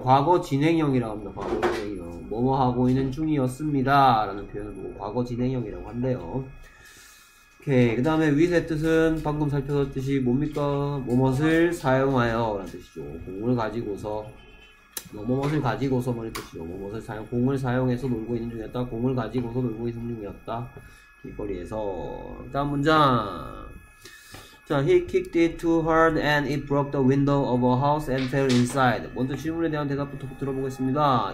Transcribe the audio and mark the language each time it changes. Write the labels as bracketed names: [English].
[Korean] 과거 진행형이라고 합니다. 과거 진행형. 뭐뭐 하고 있는 중이었습니다라는 표현을 보고 과거 진행형이라고 한대요. 오케이. 그다음에 윗의 뜻은 방금 살펴봤듯이 뭡니까? 뭐뭐를 사용하여라는 뜻이죠. 공을 가지고서 뭐뭐를 가지고서 말이 뜻이죠. 뭐뭐를 사용 공을 사용해서 놀고 있는 중이었다. 공을 가지고서 놀고 있는 중이었다. 길거리에서. 다음 문장. [English] 자, he kicked it too hard and it broke the window of a house and fell inside. [Korean] 먼저 질문에 대한 대답부터 들어보겠습니다.